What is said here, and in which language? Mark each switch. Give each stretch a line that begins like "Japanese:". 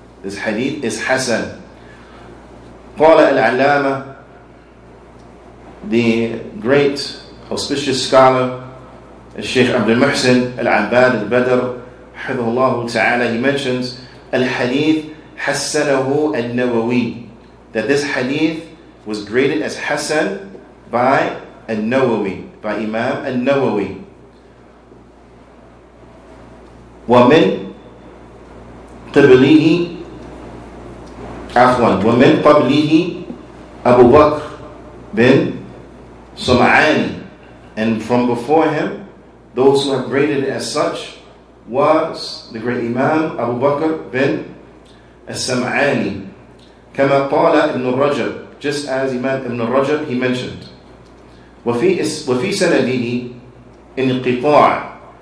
English: This hadith is hasan. Qala al-Allama, the great auspicious scholar, Sheikh Abdul Muhsin al-Abbad al-Badr, rahimahullah ta'ala, he mentions
Arabic: al-hadith hassanahu al-Nawawi.
English: That this hadith was graded as hasan by al-Nawawi, by Imam al-Nawawi.
Arabic: ومن قبله عفوا ومن قبله أبو بكر بن سمعاني.
English: And from before him, those who have graded it as such was the great Imam Abu Bakr bin As-Sam'ani.
Arabic: كما قال ابن الرجب,
English: just as Imam Ibn al-Rajab, he mentioned.
Arabic: وفي سنده انقطاع.